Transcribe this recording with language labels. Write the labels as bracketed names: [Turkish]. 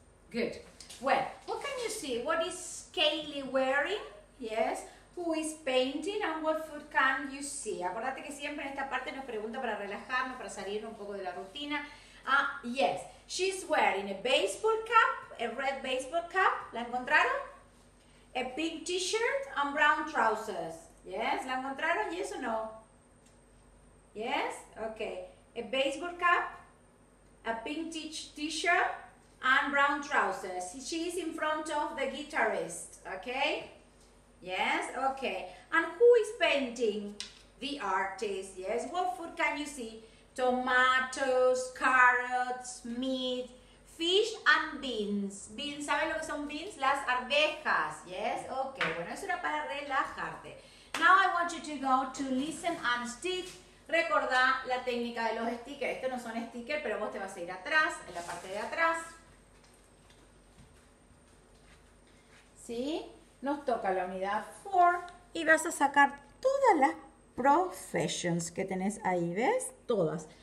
[English] Good. Well, what can you see? What is Kaylee wearing? Yes. Who is painting and what food can you see? [Spanish] Acordate que siempre en esta parte nos pregunta para relajarnos, para salir un poco de la rutina. [English] Yes. She's wearing a baseball cap, a red baseball cap. [Spanish] ¿La encontraron? [English] A pink t-shirt and brown trousers. Yes. [Spanish] ¿La encontraron? [English] Yes or no? Yes. Okay. A baseball cap, a pink t-shirt, and brown trousers. She is in front of the guitarist, okay? Yes, okay. And who is painting? The artist, yes. What food can you see? Tomatoes, carrots, meat, fish and beans. [Spanish] Beans, ¿sabes lo que son beans? Las arvejas, yes. [English] Okay, [Spanish] bueno, eso era para relajarte. [English] Now I want you to go to listen and stick. [Spanish] Recordá la técnica de los stickers. Estos no son stickers, pero vos te vas a ir atrás, en la parte de atrás. ¿Sí? Nos toca la unidad 4 y vas a sacar todas las professions que tenés ahí, ¿ves? Todas.